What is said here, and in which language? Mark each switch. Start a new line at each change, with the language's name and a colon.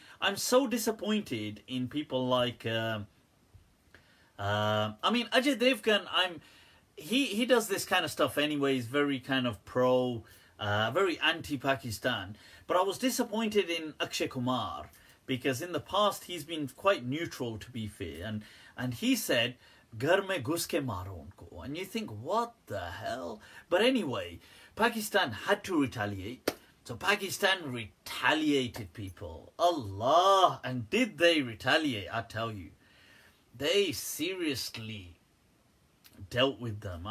English: I'm so disappointed in people like, I mean, Ajay Devgan, he does this kind of stuff anyway. He's very kind of pro, very anti-Pakistan. But I was disappointed in Akshay Kumar, because in the past he's been quite neutral, to be fair. And he said,
Hindi: घर में घुसके मारो उनको।
English: And you think, what the hell? But anyway, Pakistan had to retaliate. So Pakistan retaliated, people. Allah! And did they retaliate, I tell you. They seriously dealt with them.